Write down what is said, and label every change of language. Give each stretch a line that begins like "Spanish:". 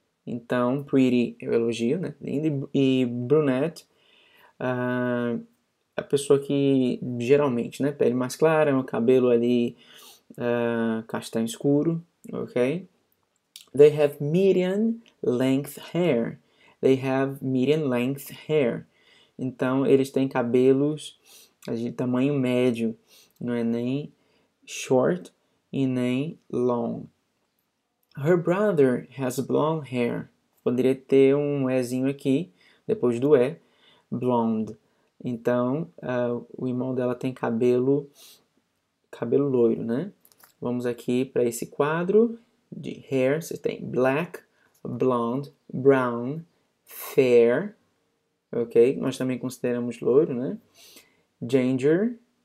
Portuguese: Então, pretty é o elogio, né? E brunette, a pessoa que geralmente, né? Pele mais clara, o cabelo ali, castanho escuro. Ok?
English: They have medium length hair. They have medium length hair.
Portuguese: Então, eles têm cabelos de tamanho médio, não é nem short e nem long.
English: Her brother has blonde hair.
Portuguese: Poderia ter um ezinho aqui, depois do e, blonde. Então, o irmão dela tem cabelo loiro, né? Vamos aqui para esse quadro de hair. Você tem black, blonde, brown, fair. Ok, nós também consideramos loiro, né? Ginger,